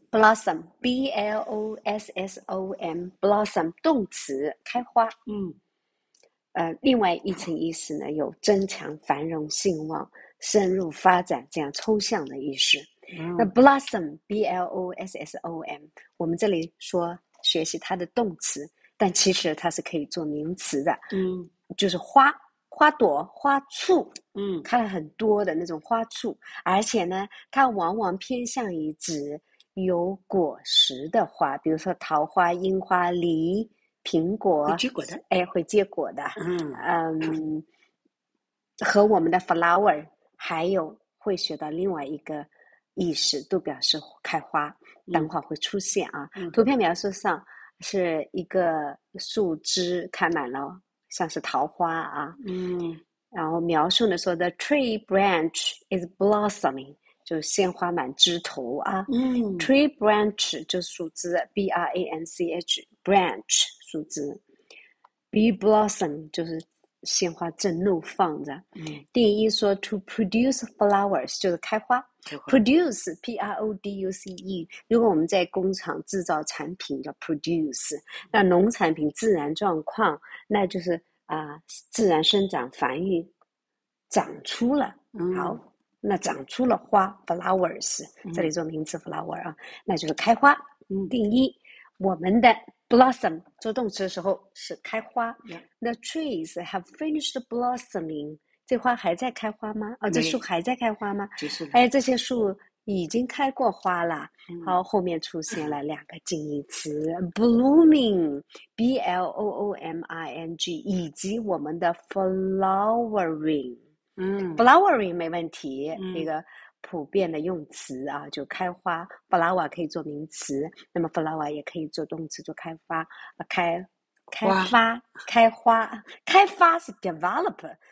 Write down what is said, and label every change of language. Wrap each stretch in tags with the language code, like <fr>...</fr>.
<zh>blossom, b l o s s o m, blossom 动词，开花。嗯，另外一层意思呢，有增强、繁荣、兴旺、深入发展这样抽象的意思。那 blossom, b l o s s o m, 我们这里说学习它的动词，但其实它是可以做名词的。嗯，就是花。花朵、花簇，嗯，看了很多的那种花簇，而且呢，它往往偏向于指有果实的花，比如说桃花、樱花、梨、苹果，会结果的，哎，会结果的，嗯，和我们的 flower， 还有会学到另外一个意思，都表示开花，等会会出现啊。嗯、图片描述上是一个树枝开满了。像是桃花啊，嗯，然后描述呢说 ，</zh> <en>the tree branch is blossoming，</en> <zh>就是鲜花满枝头啊，嗯，tree branch 就是树枝 ，b r a n c h branch 树枝 ，be blossom 就是鲜花正怒放着，嗯，定义说</zh> <en>to produce flowers</en> <zh>就是开花。produce p r o d u c e， 如果我们在工厂制造产品叫 produce， 那农产品自然状况，那就是自然生长繁育，长出了、嗯、好，那长出了花 flowers， 这里做名词 flower 啊、嗯，那就是开花。嗯、定义我们的 blossom 做动词的时候是开花、嗯。</zh> <en>The trees have finished blossoming。</en> <zh>这花还在开花吗？哦，这树还在开花吗？哎，这些树已经开过花了。嗯、好，后面出现了两个近义词、嗯、，blooming， b l o o m i n g， 以及我们的 flowering。嗯，flowering 没问题、嗯，一个普遍的用词啊，就开花。flower 可以做名词，那么 flower 也可以做动词，做开发，开发，开花，开发是 develop。</zh>